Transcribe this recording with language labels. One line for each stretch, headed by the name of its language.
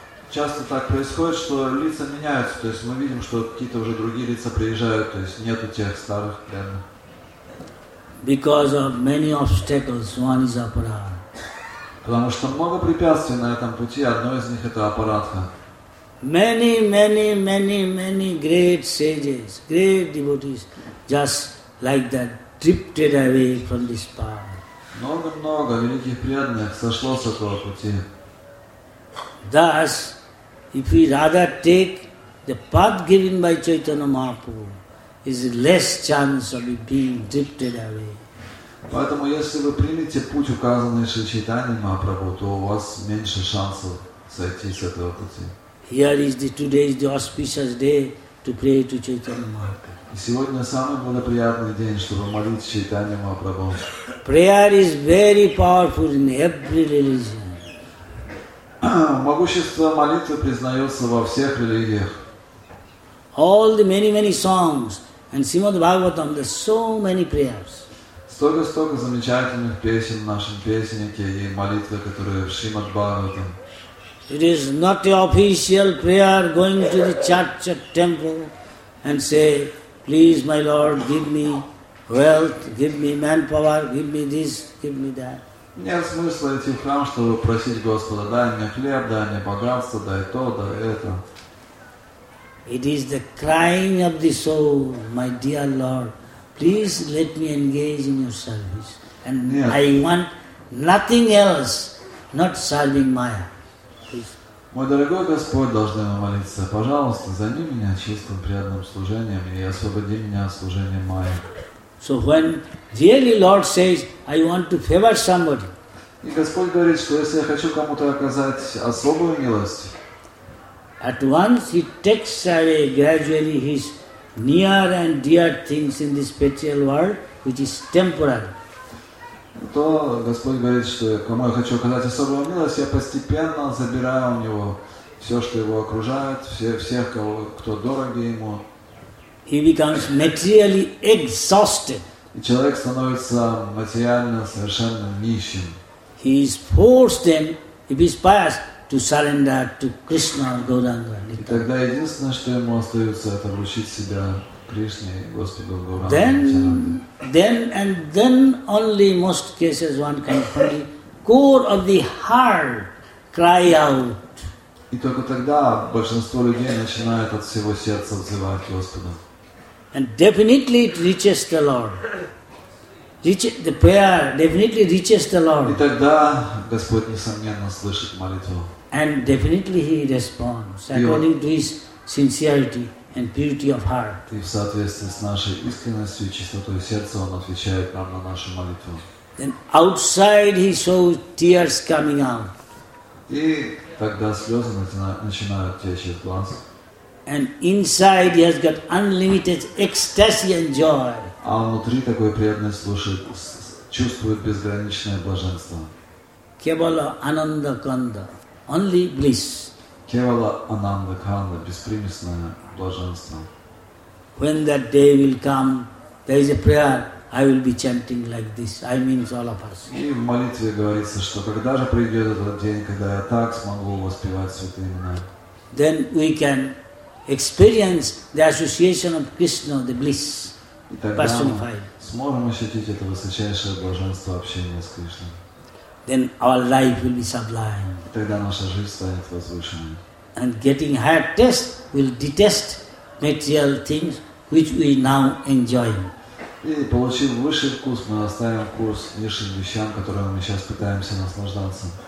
Russian: Часто так происходит, что лица меняются, то есть мы видим, что какие-то уже другие лица приезжают, то есть нету тех старых преданных.
English: Because of many obstacles, one is aparadha.
Russian: Потому что много препятствий на этом пути, одно из них это аппаратха.
English: Many great sages, great devotees, just like that drifted away from this path.
Russian: Много великих преданных сошло с этого пути.
English: Thus, if we rather take the path given by Chaitanya Mahaprabhu, is less chance of being drifted away.
Russian: Поэтому, если вы примете путь, указанный Шри Чайтаньей Махапрабху, то у вас меньше шансов сойти с этого пути.
English: Here is the today is the auspicious day to pray to Chaitanya Mahaprabhu.
Russian: Сегодня самый благоприятный день, чтобы молить Чайтанья Махапрабху.
English: Prayer is very powerful in every religion.
Russian: Могущество молитвы признается во всех религиях.
English: All the many songs and Srimad Bhagavatam, there's so many prayers.
Russian: Столько замечательных песен в нашем песеннике и молитвы, которые в Шримад Бхагаватам.
English: It is not an official prayer going to the church or temple and say, please my Lord, give me wealth, give me manpower, give me this, give me that.
Russian: Нет смысла идти в храм, чтобы просить Господа, дай мне хлеб, дай мне богатство, дай то, дай это.
English: It is the crying of the soul, my dear Lord. Please let me engage in your service. And
Russian: нет.
English: I want nothing else, not serving Maya.
Russian: Мой дорогой Господь, должны мы молиться, пожалуйста, займи меня чистым, приятным служением и освободи меня от служения Майя.
English: So when really Lord says, I want to favor somebody.
Russian: И Господь говорит, что если я хочу кому-то оказать особую милость,
English: at once he takes away gradually his near and dear things in this spiritual world, which is temporary.
Russian: То Господь говорит, что кому я хочу оказать особую милость, я постепенно забираю у него все, что его окружает, всех, кто дороги ему.
English: He becomes materially exhausted.
Russian: И человек становится материально совершенно нищим.
English: He is forced then, if he is pious, to surrender to Krishna or Gauranga.
Russian: Тогда единственное, что ему остается, это обручить себя Кришне, Господу Гауранге.
English: Then only in most cases one can find core of the heart cry out.
Russian: И только тогда большинство людей начинает от всего сердца взывать Господа.
English: And definitely it reaches the Lord. The prayer definitely reaches the Lord.
Russian: И тогда Господь несомненно слышит молитву.
English: And definitely He responds according to His sincerity and purity of heart.
Russian: И в соответствии с нашей искренностью и чистотой сердца Он отвечает нам на нашу молитву.
English: Then outside He shows tears coming out.
Russian: И тогда слезы начинают течь из глаз.
English: And inside He has got unlimited ecstasy and joy.
Russian: А внутри такой преданный слушает, чувствует безграничное блаженство.
Sanskrit: Кевала ананда канда,
English: only bliss.
Russian: Кевала ананда канда, беспримесное блаженство.
English: When that day will come, there is a prayer I will be chanting like this. I mean all of us.
Russian: И в молитве говорится, что когда же придет этот день, когда я так смогу воспевать святые имена.
English: Then we can experience the association of Krishna, the bliss.
Russian: И тогда мы сможем ощутить это высочайшее блаженство общения с Кришной.
English: Then our life will be sublime.
Russian: И тогда наша жизнь станет возвышенной.
English: And getting higher taste will detest material things which we now enjoy.
Russian: И получив высший вкус, мы оставим вкус низшим вещам, которыми мы сейчас пытаемся наслаждаться.